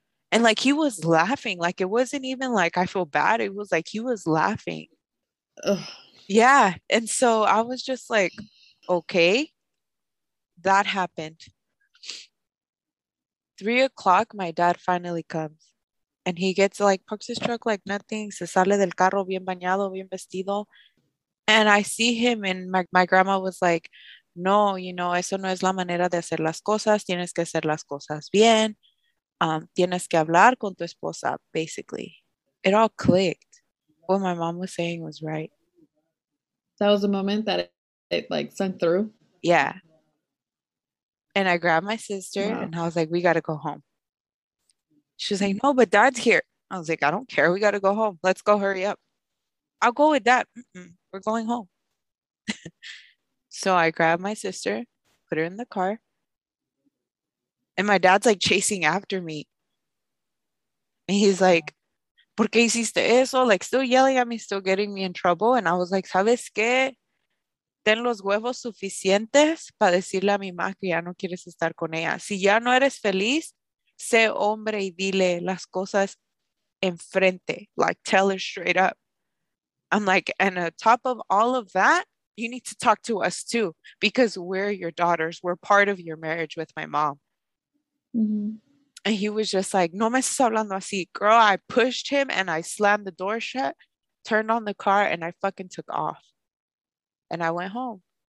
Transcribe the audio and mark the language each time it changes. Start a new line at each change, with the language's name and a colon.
English: And like he was laughing. Like it wasn't even like I feel bad. It was like he was laughing. Ugh. Yeah. And so I was just like, okay, that happened. 3 o'clock, my dad finally comes and he gets like parks his truck like nothing.
Spanish: Se sale del carro bien bañado, bien vestido.
English: And I see him and my grandma was like, no, you know,
Spanish: eso no es la manera de hacer las cosas. Tienes que hacer las cosas bien. Tienes que hablar con tu esposa, basically.
English: It all clicked. What my mom was saying was right. That was the moment that it like sent through. Yeah. And I grabbed my sister and I was like, we got to go home. She was like, no, but dad's here. I was like, I don't care. We got to go home. Let's go, hurry up. I'll go with dad. Mm-mm. We're going home. So I grabbed my sister, put her in the car. And my dad's like chasing after me. And he's like,
Spanish: ¿por qué hiciste eso?
English: Like, still yelling at me, still getting me in trouble. And I was like,
Spanish: ¿sabes qué? Ten los huevos suficientes para decirle a mi mamá que ya no quieres estar con ella. Si ya no eres feliz, sé hombre y dile las cosas enfrente.
English: Like, tell her straight up. I'm like, and on top of all of that, you need to talk to us too, because we're your daughters. We're part of your marriage with my mom. Mm-hmm. And he was just like,
Spanish: no me estás hablando así.
English: Girl, I pushed him and I slammed the door shut, turned on the car, and I fucking took off. And I went home.